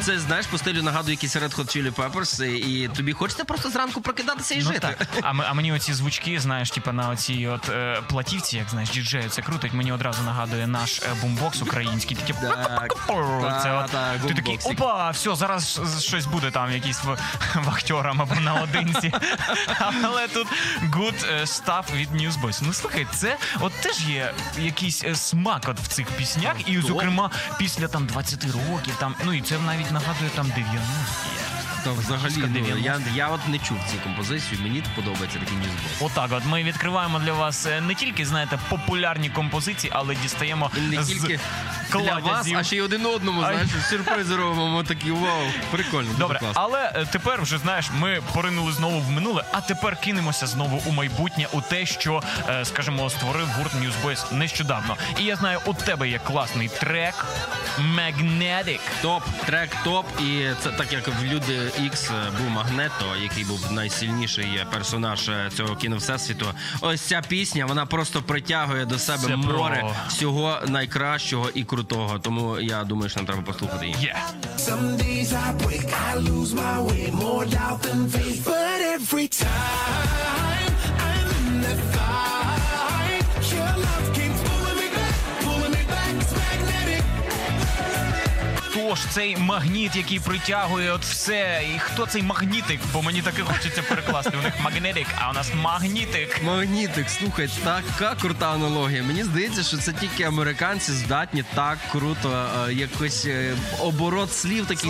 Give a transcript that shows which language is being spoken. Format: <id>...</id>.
<uk>Це, знаєш, по стилю нагадує якісь Red Hot Chili Peppers, і тобі хочеться просто зранку прокидатися і ну, жити. Так. А мені оці звучки, знаєш, типу на оці от платівці, як знаєш, діджею, це крутить, мені одразу нагадує наш бумбокс український. Такі... Так, опа, все, зараз щось буде там, якийсь вахтерам або наодинці. Але тут</uk> <en>good stuff</en> <uk>від News Boys. Ну, слухай, це от теж є якийсь смак от в цих піснях. І, зокрема, після там 20 років, там, ну, і це навіть нагадує там 90-ті. Так, взагалі, ну, я от не чув цю композицію, мені подобається такий News Boys. Отак, от ми відкриваємо для вас не тільки, знаєте, популярні композиції, але дістаємо не з тільки для вас, а ще й один одному, знаєш, сюрприз робимо, такий, вау, прикольно. Добре, але тепер вже, знаєш, ми поринули знову в минуле, а тепер кинемося знову у майбутнє, у те, що, скажімо, створив гурт News Boys нещодавно. І я знаю, у тебе є класний трек Magnetic. Топ, трек топ, і це так, як в люди X був Магнето, який був найсильніший персонаж цього кіновсесвіту. Ось ця пісня, вона просто притягує до себе це море всього найкращого і крутого. Тому я думаю, що нам треба послухати її. Yeah.</uk> <en>Some days I break, I lose my way, more doubt than faith. But every time I'm in the fight, your love keeps pulling me back, it's magnetic.</en> <uk>Тож цей магніт, який притягує от все. І хто цей магнітик? Бо мені таки хочеться перекласти. У них магнетик, а у нас магнітик. Магнітик, слухай, така крута аналогія. Мені здається, що це тільки американці здатні так круто якось оборот слів такий</uk>